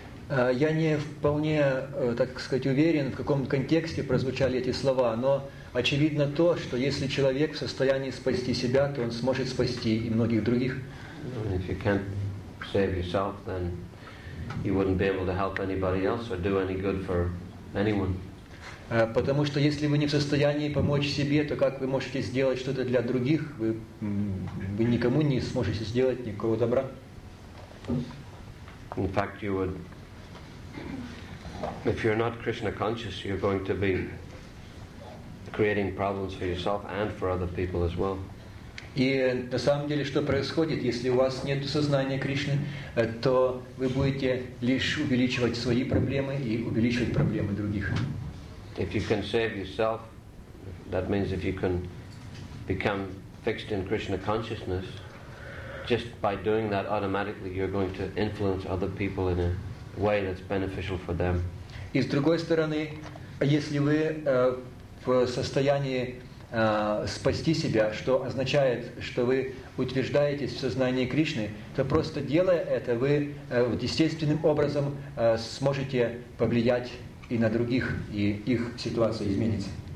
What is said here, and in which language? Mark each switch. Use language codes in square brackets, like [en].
[ru] Я не вполне, так сказать, уверен, в каком контексте прозвучали эти слова, но очевидно то, что если человек в состоянии спасти себя, то он сможет спасти и многих других. [en] If you can't save yourself, then you wouldn't be able to help anybody else or do any good for anyone. [ru] Потому что если вы не в состоянии помочь себе, то как вы можете сделать что-то для других? Вы никому не сможете сделать никакого добра. [en] In fact, you would. If you're not Krishna conscious, you're going to be creating problems for yourself and for other people as well. [ru] И на самом деле, что происходит, если у вас нет сознания Кришны, то вы будете лишь увеличивать свои проблемы и увеличивать проблемы других. [en] If you can save yourself, that means if you can become fixed in Krishna consciousness, just by doing that automatically you're going to influence other people in a way that's beneficial for them. [ru] И с другой стороны, если вы в состоянии спасти себя, что означает, что вы утверждаетесь в сознании Кришны, то просто делая это, вы естественным образом сможете повлиять и на других, и их ситуация изменится.